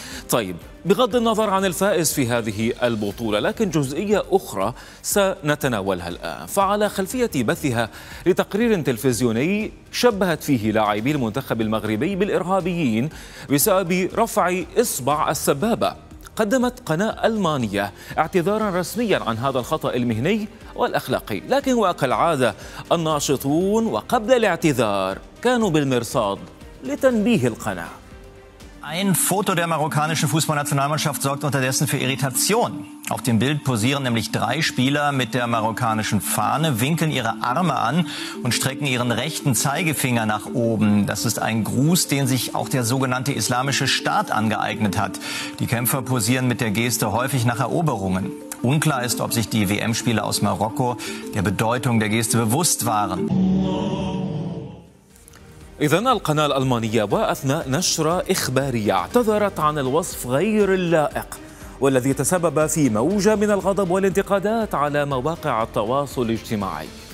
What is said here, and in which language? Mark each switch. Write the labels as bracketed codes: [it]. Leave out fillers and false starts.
[ar] طيب، بغض النظر عن الفائز في هذه البطولة، لكن جزئية أخرى سنتناولها الآن، فعلى خلفية بثها لتقرير تلفزيوني شبهت فيه لاعبي المنتخب المغربي بالإرهابيين بسبب رفع إصبع السبابة، قدمت قناة ألمانية اعتذارا رسميا عن هذا الخطأ المهني والأخلاقي، لكن وكالعادة الناشطون وقبل الاعتذار كانوا بالمرصاد لتنبيه القناة. [de] Ein Foto der marokkanischen Fußballnationalmannschaft sorgt unterdessen für Irritation. Auf dem Bild posieren nämlich 3 Spieler mit der marokkanischen Fahne, winkeln ihre Arme an und strecken ihren rechten Zeigefinger nach oben. Das ist ein Gruß, den sich auch der sogenannte Islamische Staat angeeignet hat. Die Kämpfer posieren mit der Geste häufig nach Eroberungen. Unklar ist, ob sich die WM-Spieler aus Marokko der Bedeutung der Geste bewusst waren. [ar] إذن القناة الألمانية وأثناء نشرة إخبارية اعتذرت عن الوصف غير اللائق والذي تسبب في موجة من الغضب والانتقادات على مواقع التواصل الاجتماعي.